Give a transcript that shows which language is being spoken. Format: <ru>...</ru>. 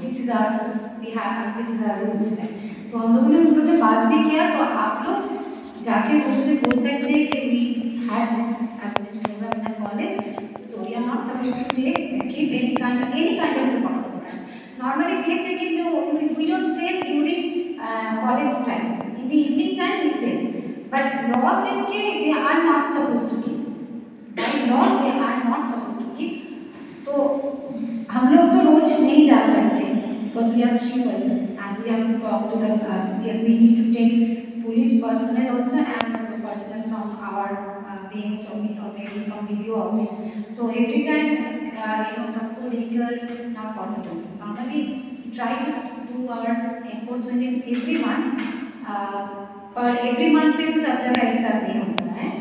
<en>This is our, we have, this is our rules.</en> <hi>तो हम लोगों ने उनको से बात भी किया, तो आप लोग जाके उनको से बोल सकते हैं कि</hi> <en>we had this administrator in the college, so we are not supposed to take, keep any kind of tobacco products. Normally they say कि no, we don't sell during college time. In the evening time we sell, but law says कि they are not supposed to keep. By law they are not supposed to keep.</en> <hi>तो हम लोग तो रोज नहीं जा सकते,</hi> <en>because we are 3 persons. We have to talk to the we need to take police personnel also and the personnel from our BMH office or maybe from video office. So every time some co-legal is not possible. Normally we try to do our enforcement in every month, but every month</en> <hi>pe to sab jagah ek saath nahi hota hai.</hi>